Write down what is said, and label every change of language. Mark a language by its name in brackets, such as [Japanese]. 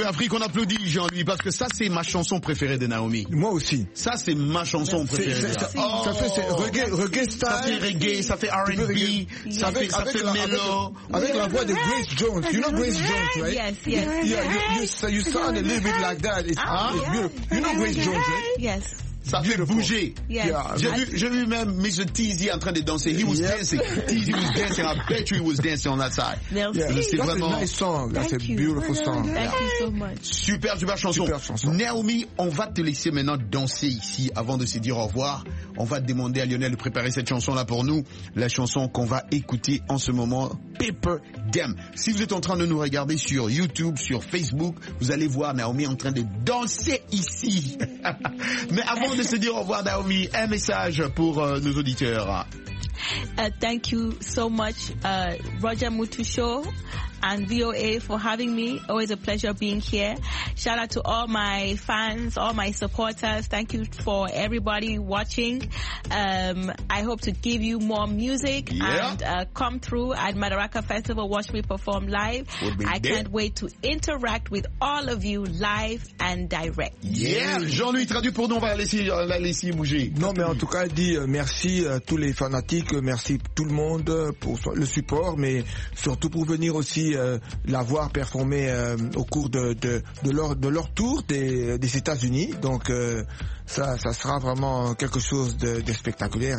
[French] Qu'on applaudit Jean-Louis parce que ça c'est ma chanson préférée de Naomi. Moi aussi. Ça c'est ma chanson préférée. Ça fait c'est reggae style. Ça fait reggae, ça fait R&B, ça fait mellow. Avec la voix de Grace Jones. [English] You know Grace Jones, right? Yes. Yeah, you sound a little bit like that. It's beautiful. You know Grace Jones, right? Yes. [French] Ça fait bouger. [English] Yes. [French] J'ai vu même Mr. Teezy en train de danser. [English] He was dancing. Teezy was dancing. I bet you he was dancing on that side. [French] Merci. [English] Yeah. That's [French] vraiment... [English] a nice song. That's Thank a beautiful you. Song. Thank yeah. you so much. [French] Super chanson. Super chanson. Naomi, on va te laisser maintenant danser ici avant de se dire au revoir. on va demander à Lionel de préparer cette chanson-là pour nous. La chanson qu'on va écouter en ce moment, Paper Dem. Si vous êtes en train de nous regarder sur YouTube, sur Facebook, vous allez voir Naomi en train de danser ici. Mais avant de se dire au revoir, Naomi, un message pour nos auditeurs. [English] Thank you so much, Roger Mutusho and VOA for having me. Always a pleasure being here. Shout out to all my fans, all my supporters. Thank you for everybody watching. I hope to give you more music and come through at Madaraka Festival. Watch me perform live. I can't wait to interact with all of you live and direct. [French] Yeah, Jean-Louis, traduit pour nous. On va laisser bouger. Non, mais en tout cas, dis merci à tous les fanatiques. Merci tout le monde pour le support, mais surtout pour venir aussi l'avoir performé au cours de leur tour des États-Unis. Donc ça sera vraiment quelque chose de spectaculaire.